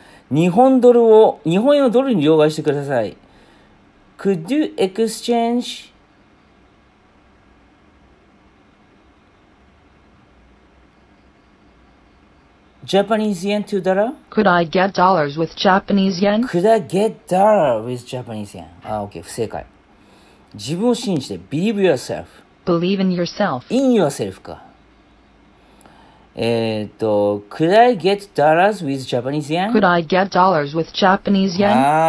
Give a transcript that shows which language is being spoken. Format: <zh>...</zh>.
<ja>日本円をドルに両替してください。</ja> <en>Could you exchange Japanese yen to dollar? Could I get dollars with Japanese yen? Could I get dollar with Japanese yen? Ah, okay,</en> <ja>不正解。自分を信じて、</ja> <en>believe yourself。 Believe in yourself。 In yourself か。 Could I get dollars with Japanese yen? Could I get dollars with Japanese yen?</en>